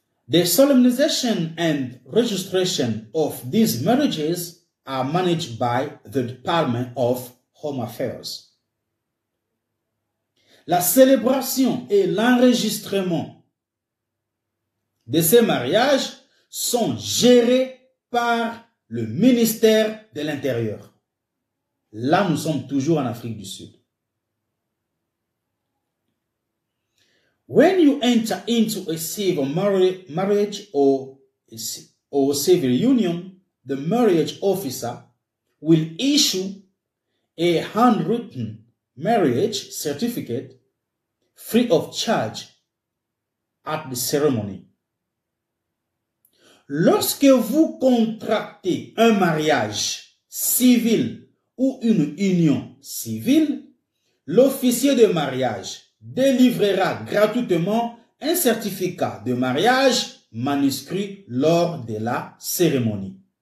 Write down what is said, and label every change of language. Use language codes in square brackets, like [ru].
[en] The solemnization and registration of these marriages are managed by the Department of Home Affairs. [fr] La célébration et l'enregistrement de ces mariages sont gérés par le ministère de l'Intérieur. Là, nous sommes toujours en Afrique du Sud. [en] When you enter into a civil marriage or civil union, the marriage officer will issue a handwritten marriage certificate free of charge at the ceremony. [fr] Lorsque vous contractez un mariage civil ou une union civile, l'officier de mariage délivrera gratuitement un certificat de mariage manuscrit lors de la cérémonie.